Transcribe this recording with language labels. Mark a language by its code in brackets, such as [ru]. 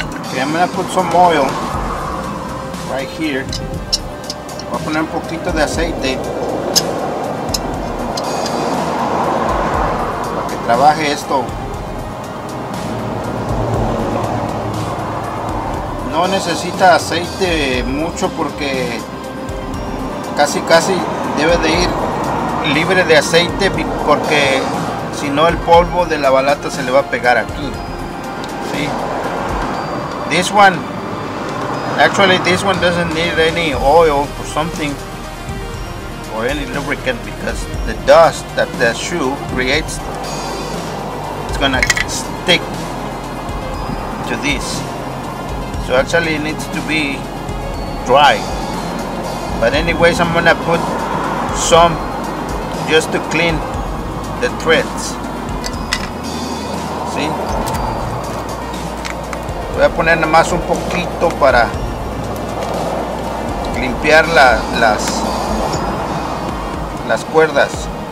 [en] Okay, I'm gonna put some oil right here. [es] Voy a poner un poquito de aceite para que trabaje esto. No necesita aceite mucho porque casi casi debe de ir libre de aceite, porque si no el polvo de la balata se le va a pegar aquí. ¿Sí? [en] This one, actually this one doesn't need any oil or something or any lubricant, because the dust that the shoe creates, it's gonna stick to this. So actually it needs to be dry, but anyways I'm gonna put some just to clean the threads. See? [es] Voy a poner más un poquito para limpiar las cuerdas.